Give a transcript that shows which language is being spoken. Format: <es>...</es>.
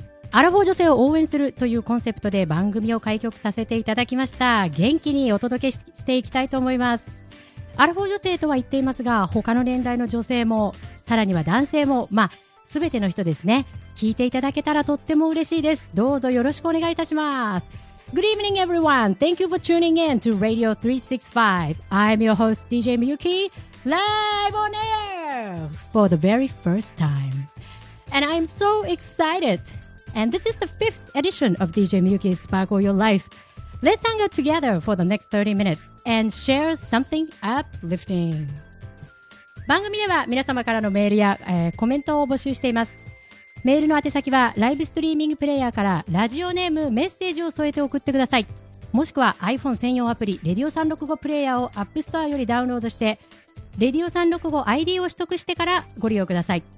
<ja>アラフォー女性を応援するというコンセプトで番組を開局させていただきました。元気にお届け していきたいと思います。アラフォー女性とは言っていますが、他の年代の女性もさらには男性も、まあ全ての人ですね、聞いていただけたらとっても嬉しいです。どうぞよろしくお願いいたします。</ja> <en>Good evening everyone. Thank you for tuning in to Radio 365. I'm your host DJ Miyuki Live on air for the very first time. And I'm so excited. And this is the 5th edition of DJ Miyuki's Sparkle Your Life. Let's hang out together for the next 30 minutes and share something uplifting.</en> <ja>番組では皆様からのメールや、コメントを募集しています。メールの宛先はライブストリーミングプレイヤーからラジオネーム、メッセージを添えて送ってください。もしくは iPhone 専用アプリレディオ365プレイヤーを App Store よりダウンロードしてレディオ365 ID を取得してからご利用ください。</ja>